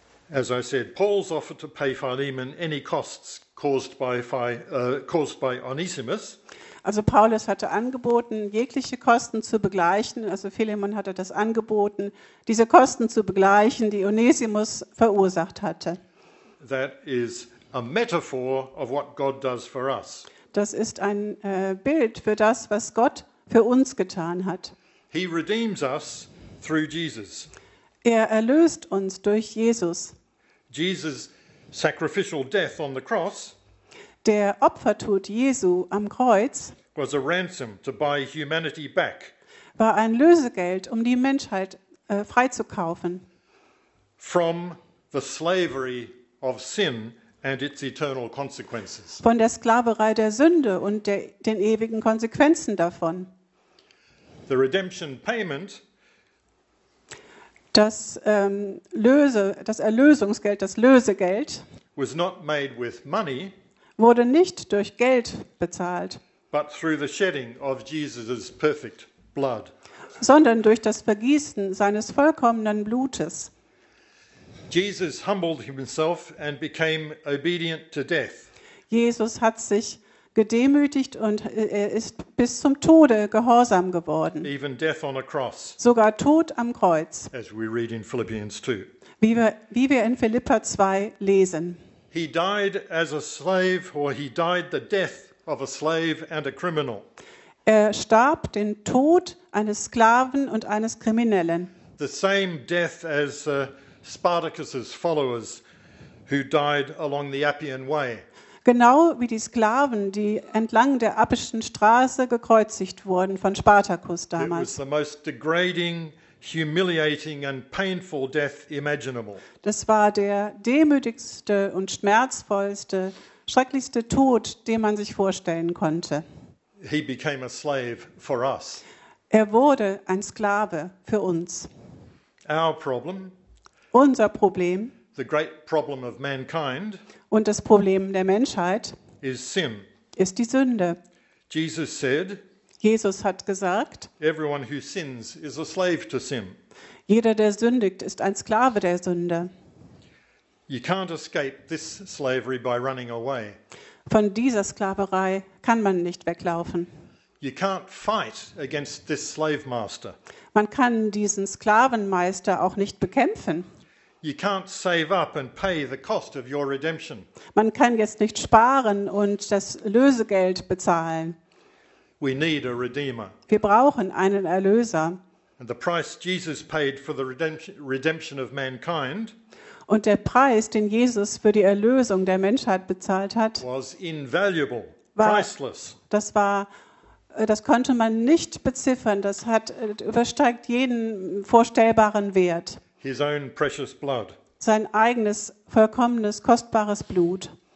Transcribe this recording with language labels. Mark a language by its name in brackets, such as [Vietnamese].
[English] As I said, Paul's offer to pay Philemon any costs caused by Onesimus. [German] Also Paulus hatte angeboten, jegliche Kosten zu begleichen. Also Philemon hatte das angeboten, diese Kosten zu begleichen, die Onesimus verursacht hatte. [English] That is a metaphor of what God does for us. [German] Das ist ein Bild für das, was Gott für uns getan hat. [English] He redeems us through Jesus. [German] Er erlöst uns durch Jesus. [English] Jesus' sacrificial death on the cross, [German] der Opfertod Jesu am Kreuz, [English] was a ransom to buy humanity back, [German] war ein Lösegeld, um die Menschheit freizukaufen, [English] from the slavery of sin and its eternal consequences, [German] von der Sklaverei der Sünde und den ewigen Konsequenzen davon. [English] The redemption payment, [German] das Erlösungsgeld, das Lösegeld, [English] was not made with money, [German] wurde nicht durch Geld bezahlt, [English] but through the shedding of Jesus's perfect blood, [German] sondern durch das Vergießen seines vollkommenen Blutes. [English] Jesus humbled himself and became obedient to death. [German] Jesus hat sich gedemütigt und er ist bis zum Tode gehorsam geworden. [English] Even death on a cross, [German] sogar Tod am Kreuz. [English] As we read in Philippians 2. [German] Wie wir in Philipper 2 lesen. [English] He died as a slave, or he died the death of a slave and a criminal. [German] Er starb den Tod eines Sklaven und eines Kriminellen. [English] The same death as Spartacus's followers who died along the Appian Way. [German] Genau wie die Sklaven, die entlang der Appischen Straße gekreuzigt wurden von Spartacus damals. [English] It was the most degrading, humiliating and painful death imaginable. [German] Das war der demütigste und schmerzvollste, schrecklichste Tod, den man sich vorstellen konnte. [English] He became a slave for us. [German] Er wurde ein Sklave für uns. [English] Our problem, [German] unser Problem, [English] the great problem of mankind, [German] und das Problem der Menschheit, [English] is sin. [German] Ist die Sünde. [English] Jesus said, [German] Jesus hat gesagt, [English] everyone who sins is a slave to sin. [German] Jeder, der sündigt, ist ein Sklave der Sünde. [English] You can't escape this slavery by running away. [German] Von dieser Sklaverei kann man nicht weglaufen. [English] You can't fight against this slave master. [German] Man kann diesen Sklavenmeister auch nicht bekämpfen. [English] You can't save up and pay the cost of your redemption. [German] Man kann jetzt nicht sparen und das Lösegeld bezahlen. [English] We need a redeemer. [German] Wir brauchen einen Erlöser. [English] And the price Jesus paid for the redemption of mankind. [German] Und der Preis, den Jesus für die Erlösung der Menschheit bezahlt hat, [English] was invaluable, priceless. [German] Das konnte man nicht beziffern. Das hat übersteigt jeden vorstellbaren Wert. [English] His own precious blood. [German] Sein eigenes, vollkommenes, kostbares Blut.